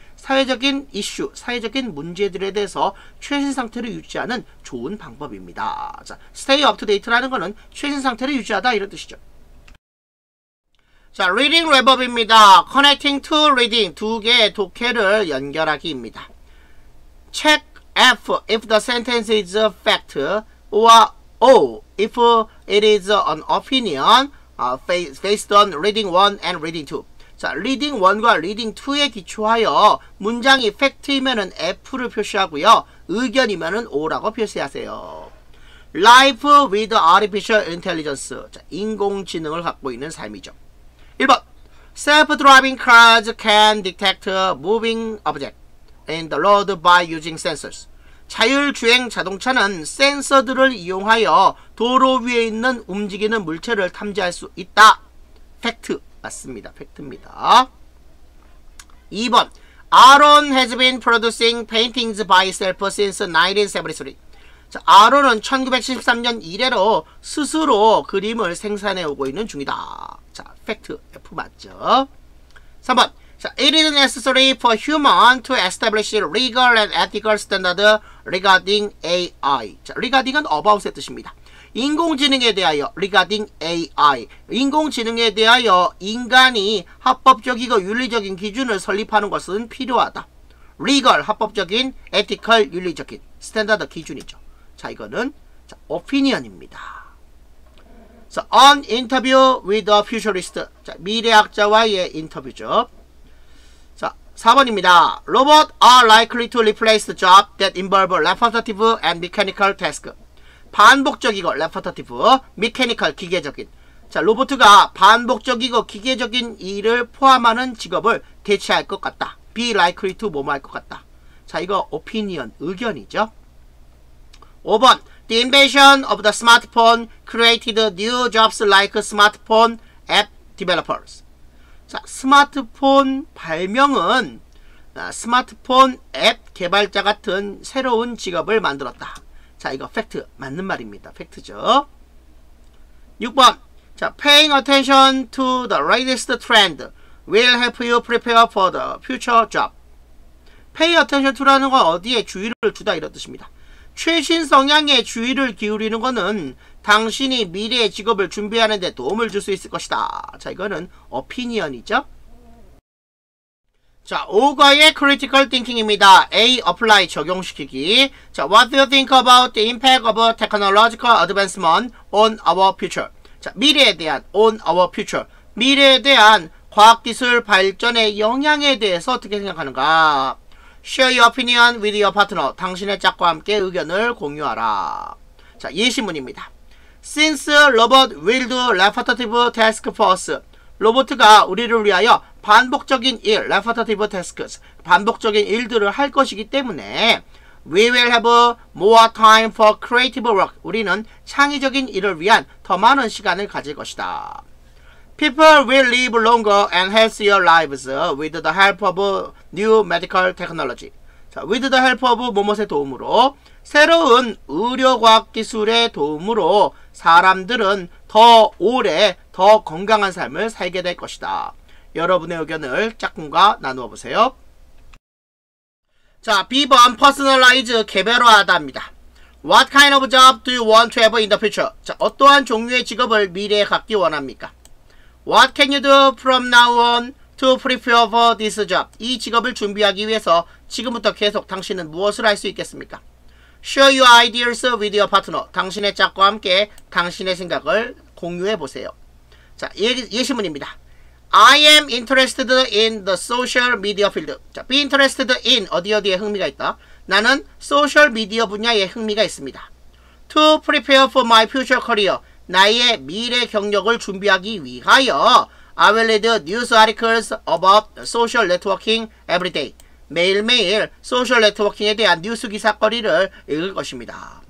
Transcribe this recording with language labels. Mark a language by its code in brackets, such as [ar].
[ko] 사회적인 이슈, 사회적인 문제들에 대해서 최신 상태를 유지하는 좋은 방법입니다. 자, [en] stay up to date [ko] 라는 것은 최신 상태를 유지하다 이런 뜻이죠. [en] 자, reading reverb입니다. connecting to reading. [ko] 두 개의 독해를 연결하기입니다. [en] check F if the sentence is a fact or O if it is an opinion based on reading 1 and reading 2. [ko] 자, reading 1과 reading 2에 기초하여 문장이 fact이면은 F를 표시하고요. 의견이면은 O라고 표시하세요. [en] life with artificial intelligence. [ko] 자, 인공지능을 갖고 있는 삶이죠. [en] 1번. self-driving cars can detect moving objects in the road by using sensors. [ko] 자율주행 자동차는 센서들을 이용하여 도로 위에 있는 움직이는 물체를 탐지할 수 있다. 팩트. 맞습니다. 팩트입니다. 2번. [en] Aaron has been producing paintings by himself since 1973. [ko] 자, Aaron은 1973년 이래로 스스로 그림을 생산해 오고 있는 중이다. 자, 팩트. F 맞죠? 3번. [en] So, it is necessary for human to establish legal and ethical standard regarding AI. [ko] 자, regarding은 about의 뜻입니다. 인공지능에 대하여, [en] regarding AI. [ko] 인공지능에 대하여 인간이 합법적이고 윤리적인 기준을 설립하는 것은 필요하다. legal, 합법적인, ethical, 윤리적인, standard, 기준이죠. 자, 이거는 자, opinion입니다. [en] So, an interview with a futurist. [ko] 자, 미래학자와의 인터뷰죠. 4번입니다. [en] Robots are likely to replace jobs that involve repetitive and mechanical tasks. [ko] 반복적이고 repetitive, mechanical, 기계적인. 자, 로봇가 반복적이고 기계적인 일을 포함하는 직업을 대체할 것 같다. [en] Be likely to [ko] 뭐뭐할 것 같다. 자, 이거 opinion, 의견이죠. 5번. [en] The invention of the smartphone created new jobs like smartphone app developers. [ko] 자, 스마트폰 발명은 스마트폰 앱 개발자 같은 새로운 직업을 만들었다. 자, 이거 팩트. 맞는 말입니다. 팩트죠. 6번. [en] 자, paying attention to the latest trend will help you prepare for the future job. [ko] pay attention to라는 건 어디에 주의를 두다 이런 뜻입니다. 최신 성향에 주의를 기울이는 것은 당신이 미래의 직업을 준비하는 데 도움을 줄 수 있을 것이다. 자, 이거는 opinion이죠. 자, 5과의 critical thinking입니다. A, apply, 적용시키기. [en] 자, what do you think about the impact of technological advancement on our future? [ko] 자, 미래에 대한 [en] on our future. [ko] 미래에 대한 과학기술 발전의 영향에 대해서 어떻게 생각하는가? [en] Share your opinion with your partner. [ko] 당신의 짝과 함께 의견을 공유하라. 자, 예시문입니다. [en] Since robot will do repetitive task for us. [ko] 로봇가 우리를 위하여 반복적인 일, repetitive tasks, 반복적인 일들을 할 것이기 때문에 [en] we will have more time for creative work. [ko] 우리는 창의적인 일을 위한 더 많은 시간을 가질 것이다. [en] People will live longer and healthier lives with the help of new medical technology. [ko] 자, [en] with the help of [ko] 뭐뭐의 도움으로 새로운 의료과학기술의 도움으로 사람들은 더 오래 더 건강한 삶을 살게 될 것이다. 여러분의 의견을 짝꿍과 나누어 보세요. 자, B번 Personalize 개별화하다입니다. [en] What kind of job do you want to have in the future? [ko] 자, 어떠한 종류의 직업을 미래에 갖기 원합니까? [en] What can you do from now on to prepare for this job? [ko] 이 직업을 준비하기 위해서 지금부터 계속 당신은 무엇을 할 수 있겠습니까? [en] Share your ideas with your partner. [ko] 당신의 짝과 함께 당신의 생각을 공유해 보세요. 자, 예시문입니다. [en] I am interested in the social media field. [ko] 자, [en] be interested in [ko] 어디 어디에 흥미가 있다. 나는 소셜 미디어 분야에 흥미가 있습니다. [en] To prepare for my future career. [ko] 나의 미래 경력을 준비하기 위하여 [en] I will read news articles about social networking every day. [ko] 매일매일 소셜 네트워킹에 대한 뉴스 기사거리를 읽을 것입니다.